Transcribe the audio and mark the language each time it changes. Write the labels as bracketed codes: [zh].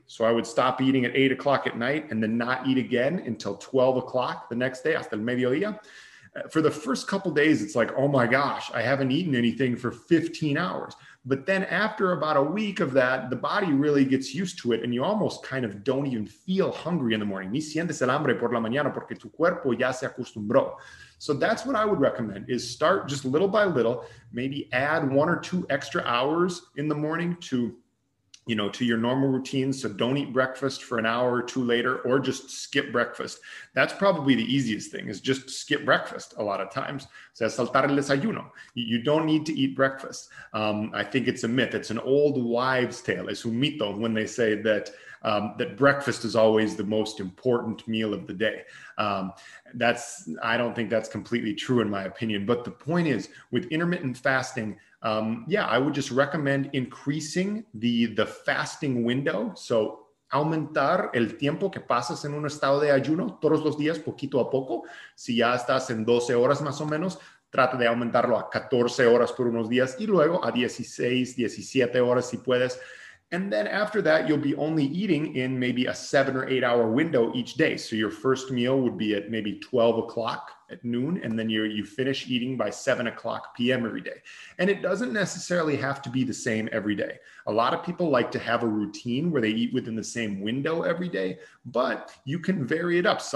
[en] So I would stop eating at 8 o'clock at night and then not eat again until 12 o'clock the next day, [es] hasta el mediodía. [en] For the first couple of days, it's like, oh my gosh, I haven't eaten anything for 15 hours. But then after about a week of that, the body really gets used to it and you almost kind of don't even feel hungry in the morning. [es] Ni sientes el hambre por la mañana porque tu cuerpo ya se acostumbró. [en] So that's what I would recommend, is start just little by little, maybe add 1 or 2 extra hours in the morning to you know, to your normal routine. So don't eat breakfast for an hour or two later, or just skip breakfast. That's probably the easiest thing, is just skip breakfast a lot of times. So [es] saltar el desayuno. [en] You don't need to eat breakfast. I think it's a myth. It's an old wives' tale. [es] Es un mito [en] when they say that that breakfast is always the most important meal of the day. I don't think that's completely true in my opinion. But the point is, with intermittent fasting, I would just recommend increasing the fasting window. [es] So aumentar el tiempo que pasas en un estado de ayuno todos los días, poquito a poco. Si ya estás en 12 horas más o menos, trata de aumentarlo a 14 horas por unos días y luego a 16, 17 horas si puedes. [en] And then after that, you'll be only eating in maybe a 7 or 8 hour window each day. So your first meal would be at maybe 12 o'clock at noon, and then you finish eating by 7 o'clock p.m. every day. And it doesn't necessarily have to be the same every day. A lot of people like to have a routine where they eat within the same window every day, but you can vary it up.